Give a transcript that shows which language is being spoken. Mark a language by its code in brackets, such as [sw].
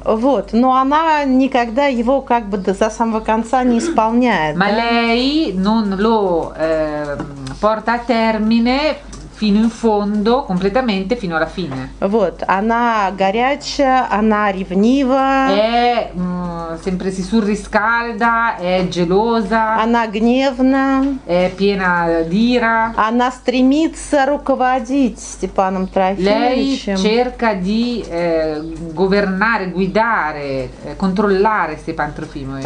[ru] Вот, но она никогда его как бы до самого конца не исполняет. [it] Ma lei non lo porta a termine fino in fondo, completamente fino alla fine. [ru] Вот, она горячая, она ревнива. [it] È sempre si surriscalda, è gelosa. [ru] Она гневна. [it] È piena d'ira. [ru] Она стремится руководить Степаном Трофимовичем. [it] Lei cerca di governare, guidare, controllare Степан Трофимович.